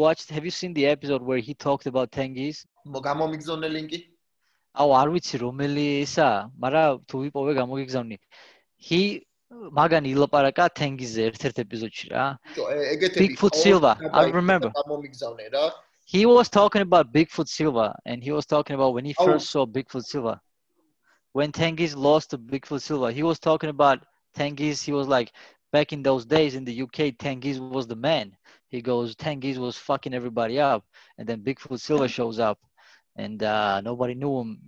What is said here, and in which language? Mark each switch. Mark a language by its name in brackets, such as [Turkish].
[English] Have you seen the episode where he talked about Tengiz? [Georgian] მოგამომიგზონე ლინკი? აუ, არ ვიცი რომელი ესა, მაგრამ თუ ვიპოვე გამოგიგზავნი. [English] He [Georgian] მაგან ილაპარაკა Tengiz-ზე ერთ-ერთ ეპიზოდში რა. ეგეთები [English] Bigfoot Silva, I remember. [Georgian] მოგამომიგზავნე რა. [English] He was talking about Bigfoot Silva and he was talking about when he first saw Bigfoot Silva. When Tengiz lost to Bigfoot Silva, he was talking about Tengiz, he was like back in those days in the UK, Tengiz was the man. He goes, Tengiz was fucking everybody up. And then Bigfoot Silva shows up and nobody knew him.